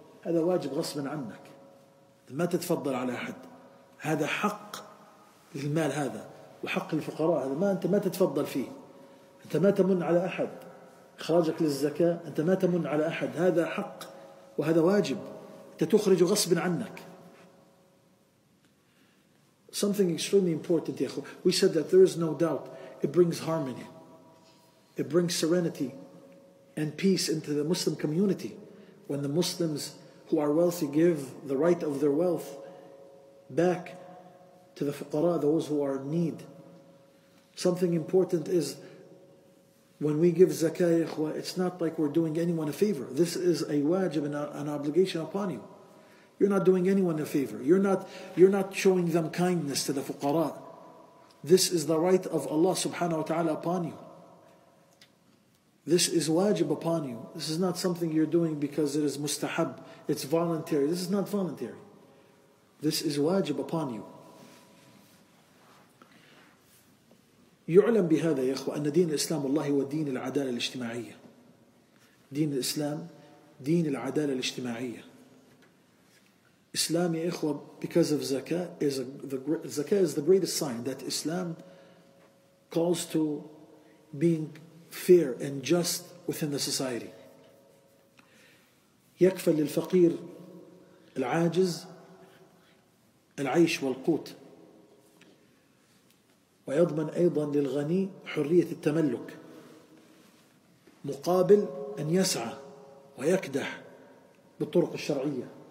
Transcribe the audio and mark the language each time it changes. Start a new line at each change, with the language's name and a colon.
Arabic: هذا واجب غصبا عنك, ما تتفضل على أحد. هذا حق للمال هذا وحق الفقراء, هذا ما أنت ما تتفضل فيه, أنت ما تمن على أحد. إخراجك للزكاة أنت ما تمن على أحد, هذا حق وهذا واجب, أنت تخرج غصبا عنك.
English: Something extremely important,
Arabic: يا أخو.
English: We said that there is no doubt it brings harmony, it brings serenity and peace into the Muslim community when the Muslims who are wealthy give the right of their wealth back to the fuqara, those who are in need. Something important is when we give zakah, ikhwa, it's not like we're doing anyone a favor. This is a wajib and an obligation upon you. You're not doing anyone a favor. You're not showing them kindness to the fuqara. This is the right of Allah subhanahu wa ta'ala upon you. This is wajib upon you. This is not something you're doing because it is mustahab. It's voluntary. This is not voluntary. This is wajib upon you.
Arabic: يعلم بهذا يا أخوة أن دين الإسلام والله هو دين العدالة الاجتماعية. دين الإسلام دين العدالة الاجتماعية. إسلام يا أخوة,
English: because of zakah is the greatest sign that Islam calls to being fair and just within the society.
Arabic: يكفل للفقير العاجز العيش والقوت, ويضمن أيضا للغني حرية التملك مقابل أن يسعى ويكدح بالطرق الشرعية.